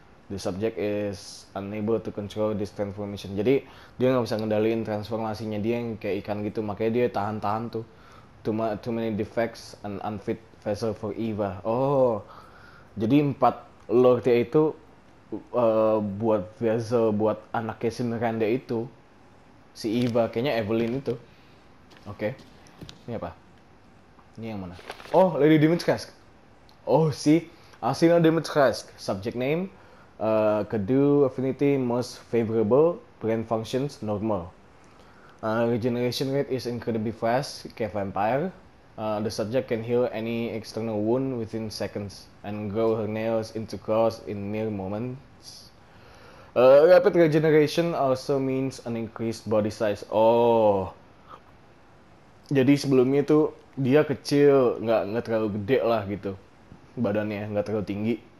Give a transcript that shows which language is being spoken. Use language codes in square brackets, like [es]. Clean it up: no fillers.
[en] The subject is unable to control this transformation. [id] Jadi dia nggak bisa ngendaliin transformasinya dia yang kayak ikan gitu, makanya dia tahan-tahan tuh. [en] Too many defects and unfit vessel for Eva. [id] Oh, jadi empat lord itu buat vessel buat anaknya si Miranda itu, si Eva, kayaknya Evelyn itu. Oke, okay. Ini apa? Ini yang mana? Oh, Lady Dimitrescu. Oh, si [en] Asina Dimitrescu. Subject name. Kedu affinity most favorable, brain functions normal. Regeneration rate is incredibly fast, [id] kayak [en] vampire. The subject can heal any external wound within seconds and grow her nails into claws in mere moments. Rapid regeneration also means an increased body size. [id] Oh, jadi sebelumnya tuh dia kecil, nggak terlalu gede lah gitu, badannya nggak terlalu tinggi.